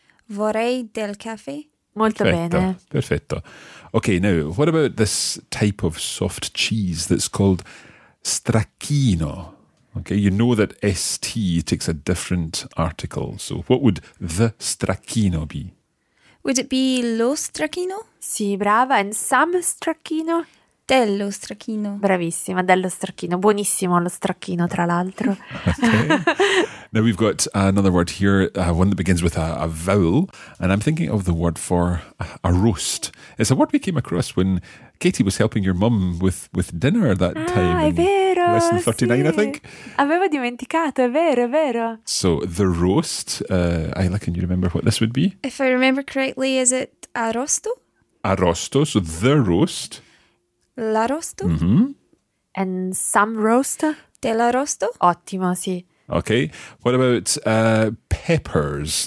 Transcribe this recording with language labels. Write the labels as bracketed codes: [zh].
[it] Vorrei del caffè. Molto bene. Perfetto. [en] Okay, now, what about this type of soft cheese that's called stracchino? Okay, you know that ST takes a different article. So what would the stracchino be? Would it be [it] lo stracchino? [en] Sì, brava. And some stracchino? [it] Dello stracchino. Bravissima, dello stracchino. Buonissimo lo stracchino, tra l'altro. [en] Okay. Now we've got another word here, one that begins with a vowel. And I'm thinking of the word for a roast. It's a word we came across when Katie was helping your mum with dinner that time. [it] Ah, è vero. [en] Lesson 39, [it] sì. [en] I think. [it] Avevo dimenticato, è vero, è vero. [en] So the roast, Ayla, can you remember what this would be? If I remember correctly, is it arrosto? Arrosto, so the roast. [it] L'arrosto. Mm-hmm. [en] And some roast. [it] Dell'arrosto. Ottimo, sì. [en] Okay. What about peppers?